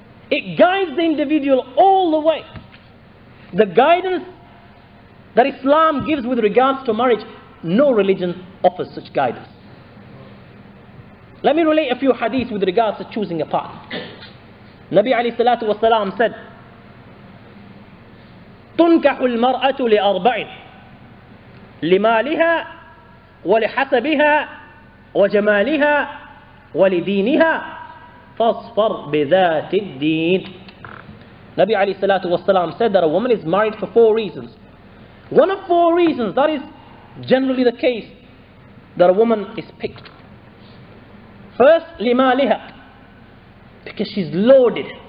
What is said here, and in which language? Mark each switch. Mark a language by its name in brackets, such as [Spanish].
[English] It guides the individual all the way. The guidance that Islam gives with regards to marriage, no religion offers such guidance. Let me relate a few hadiths with regards to choosing a partner. [Arabic] Nabi alayhi salatu wa salam said, تُنْكَحُ الْمَرْأَةُ لِأَرْبَعٍ لِمَالِهَا وَلِحَسَبِهَا وَجَمَالِهَا وَلِدِينِهَا فَاصْفَرْ بِذَاتِ الدِّينِ. [English] Nabi alayhi salatu wa salam said that a woman is married for four reasons. One of four reasons, that is generally the case, that a woman is picked. First, لِمَالِهَا, because she's loaded.